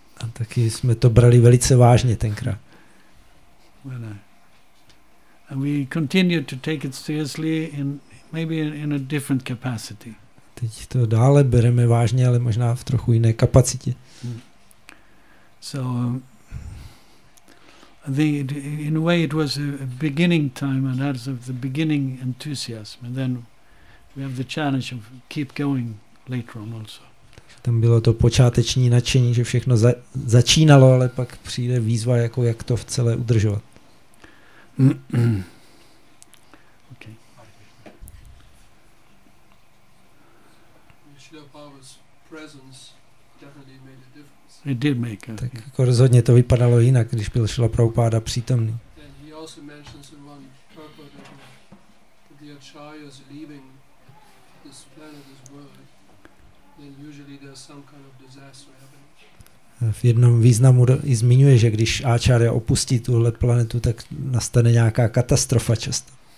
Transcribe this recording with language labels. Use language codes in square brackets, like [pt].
[cs] A taky jsme to brali velice vážně tenkrát. [en] When I, and we continue to take it seriously in maybe in a different capacity. [cs] Teď to dále bereme vážně, ale možná v trochu jiné kapacitě. [en] So the in a way it was a beginning time and that's of the beginning enthusiasm, and then we have the challenge of keep going later on also. [cs] Tam bylo to počáteční nadšení, že všechno začínalo, ale pak přijde výzva jako jak to v celé udržovat. [en] Okay. Srila Prabhupada's presence definitely made a difference. It did make. [cs] Tak jako rozhodně to vypadalo jinak, když byl Srila Prabhupada přítomný. [en] And he also mentions in one purport that the acharyas leaving this planet, this world, then usually there's some kind of disaster happening. [cs] V jednom významu i zmiňuje, že když Ačarya opustí tuhle planetu, tak nastane nějaká katastrofa často.